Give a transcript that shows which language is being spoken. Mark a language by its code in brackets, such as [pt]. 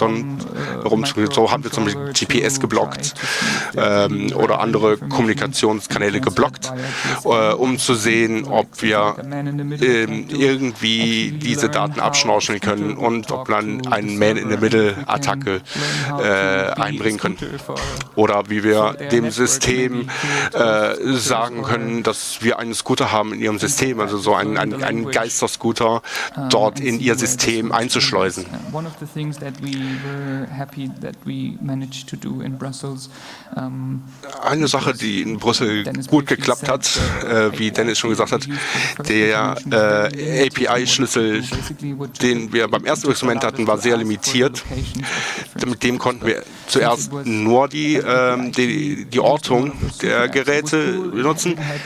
[de] Beton rumzugehen. So haben wir zum Beispiel GPS geblockt oder andere Kommunikationskanäle geblockt, um zu sehen, ob wir irgendwie diese Daten abschnorcheln können und ob man eine Man-in-the-Middle-Attacke einbringen können. Oder wie wir dem System sagen können, dass wir einen Scooter haben in ihrem System, also so ein Geister-Scooter, dort in ihr System einzuschleusen. [en] One of the things that we were happy that we managed to do in Brussels. [de] Eine Sache, die in Brüssel gut geklappt hat, wie Dennis schon gesagt hat, der API-Schlüssel, den wir beim ersten Experiment hatten, war sehr limitiert. Mit dem konnten wir zuerst nur die, die Ortung der Geräte benutzen.